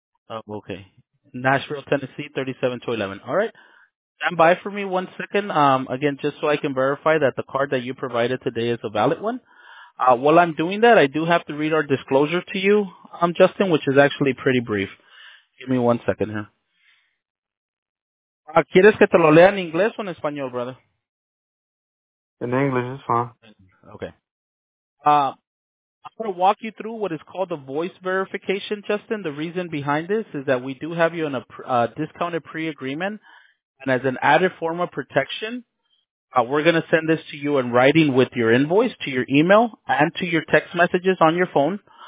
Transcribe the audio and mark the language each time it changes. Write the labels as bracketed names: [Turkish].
[English] Oh, okay. Nashville, Tennessee, 37211. All right. Stand by for me 1 second. Again, just so I can verify that the card that you provided today is a valid one. While I'm doing that, I do have to read our disclosure to you, Justin, which is actually pretty brief. Give me 1 second here. [Spanish] ¿Quieres que te lo lea en inglés o en español, brother? [English] In English, it's fine. Okay. I'm going to walk you through what is called the voice verification, Justin. The reason behind this is that we do have you in a discounted pre-agreement, and as an added form of protection, we're going to send this to you in writing with your invoice, to your email, and to your text messages on your phone.